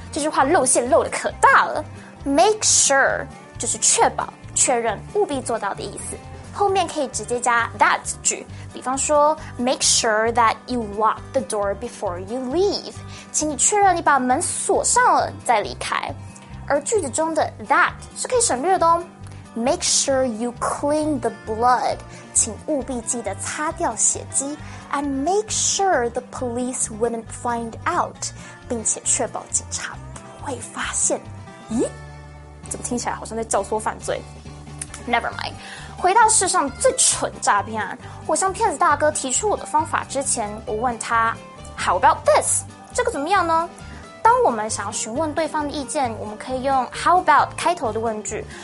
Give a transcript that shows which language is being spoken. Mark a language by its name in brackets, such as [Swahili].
[Chinese] 这句话露馅露得可大了。 [English] Make sure 就是确保、确认、务必做到的意思，后面可以直接加 that 句，比方说 Make sure that you lock the door before you leave， [Chinese] 请你确认你把门锁上了再离开。而句子中的 that 是可以省略的哦。 [English] Make sure you clean the blood， [Chinese] 请务必记得擦掉血迹。 [English] And make sure the police wouldn't find out， [Chinese] 并且确保警察不会发现。咦？怎么听起来好像在教唆犯罪 ？ [English] Never mind。 [Chinese] 回到世上最蠢诈骗案，我向骗子大哥提出我的方法之前，我问他 ， [English] How about this？ [Chinese] 这个怎么样呢？当我们想要询问对方的意见，我们可以用 how about 开头的问句。